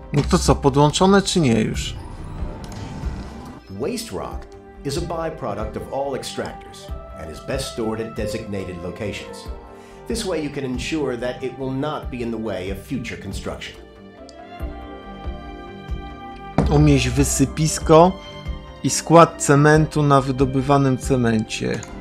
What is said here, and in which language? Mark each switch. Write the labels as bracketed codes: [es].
[pl] To co, podłączone czy nie już? [en] Waste rock is a byproduct of all extractors and is best stored at designated locations. This way you can ensure that it will not be in the way of future construction. [pl] Umieść wysypisko i skład cementu na wydobywanym cemencie.